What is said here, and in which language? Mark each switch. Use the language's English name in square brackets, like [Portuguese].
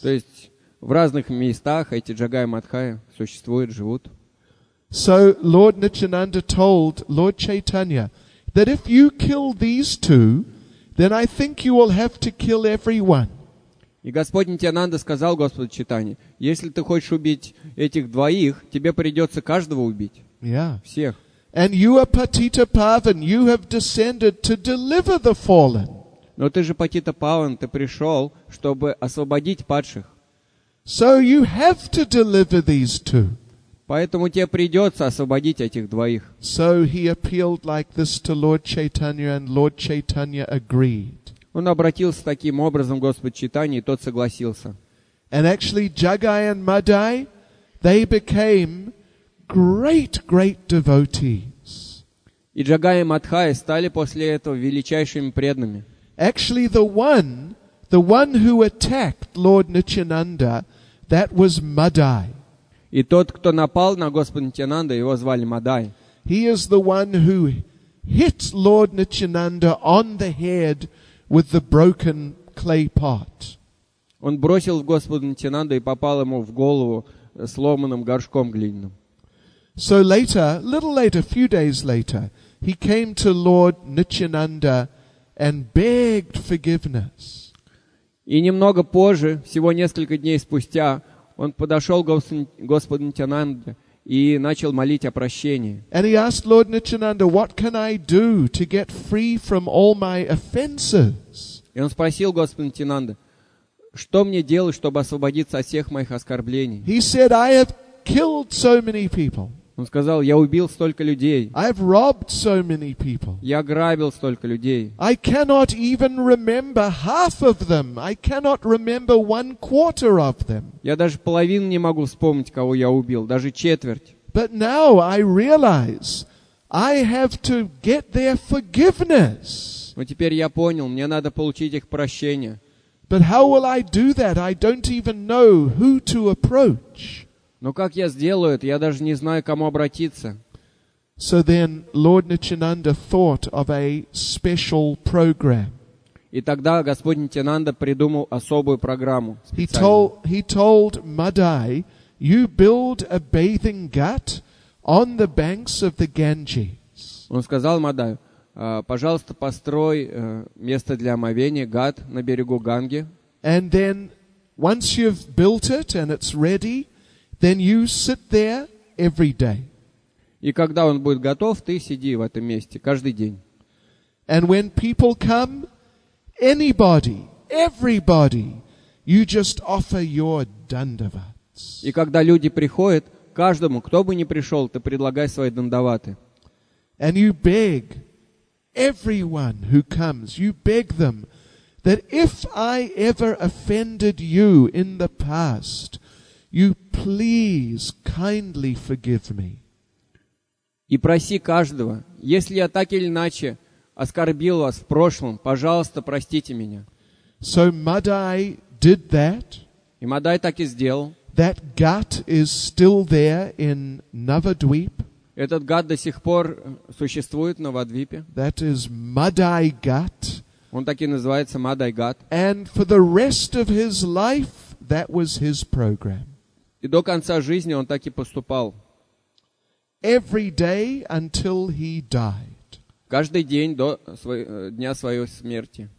[Russian] То есть в разных местах эти джагаи и мадхаи существуют, живут. [English] So Lord Nityananda told Lord Chaitanya that if you kill these two, then I think you will have to kill everyone. [Russian] И Господь Нитьянанда сказал Господу Чайтанье, если ты хочешь убить этих двоих, тебе придется каждого убить. [English] Yeah. [Russian] Всех. [English] And you are Patita Pavan, you have descended to deliver the fallen. [Russian] Но ты же Патита Паван, ты пришел, чтобы освободить падших. [English] So you have to deliver these two. [Russian] Поэтому тебе придется освободить этих двоих. [English] So he appealed like this to Lord Chaitanya, and Lord Chaitanya agreed. [Russian] Он обратился таким образом к Господу Чайтанье, и тот согласился. [English] And actually, Jagai and Madai, they became great, great devotees. [Russian] И Джагай и Мадхай стали после этого величайшими преданными. [English] Actually, the one who attacked Lord Nityananda, that was Madai. [Russian] И тот, кто напал на Господа Нитьянанду, его звали Мадай. [English] He is the one who hit Lord Nityananda on the head with the broken clay pot. [Russian] Он бросил в Господа Нитьянанду и попал ему в голову сломанным горшком глиняным. [English] So later, a little later, a few days later, he came to Lord Nityananda and begged forgiveness. [Russian] И немного позже, всего несколько дней спустя, он подошел к Господу Нитьянанде и начал молить о прощении. [English] And he asked Lord Nityananda, "What can I do to get free from all my offenses?" [Russian] И он спросил Господа Нитьянанда, что мне делать, чтобы освободиться от всех моих оскорблений. [English] He said, "I have killed so many people." [Russian] Он сказал, я убил столько людей. [English] I've robbed so many people. [Russian] Я грабил столько людей. [English] I cannot even remember half of them. I cannot remember one quarter of them. [Russian] Я даже половину не могу вспомнить, кого я убил, даже четверть. [English] But now I realize I have to get their forgiveness. [Russian] Но теперь я понял, мне надо получить их прощение. [English] But how will I do that? I don't even know who to approach. [Russian] Но как я сделаю это? Я даже не знаю, к кому обратиться. [English] So then Lord Nityananda thought of a special program. [Russian] И тогда Господь Нитьянанда придумал особую программу. [English] He told Madai, "You build a bathing ghat on the banks of the Ganges." [Russian] Он сказал Мадаю, пожалуйста, построй место для омовения, гат на берегу Ганги. [English] And then once you've built it and it's ready, then you sit there every day. [Russian] И когда он будет готов, ты сиди в этом месте каждый день. [English] And when people come, anybody, everybody, you just offer your dandavats. [Russian] И когда люди приходят, каждому, кто бы ни пришел, ты предлагай свои дандаваты. [English] And you beg everyone who comes, you beg them that if I ever offended you in the past, you please kindly forgive me. [Russian] И проси каждого, если я так или иначе оскорбил вас в прошлом, пожалуйста, простите меня. [English] So Madai did that. [Russian] И Мадай так и сделал. [English] That ghat is still there in Navadvip. [Russian] Этот ghat до сих пор существует в Навадвипе. [English] That is Madai ghat. [Russian] Он так и называется Madai ghat. [English] And for the rest of his life, that was his program. [Russian] И до конца жизни он так и поступал. [English] Every day until he died. [Russian] Каждый день до дня своей смерти.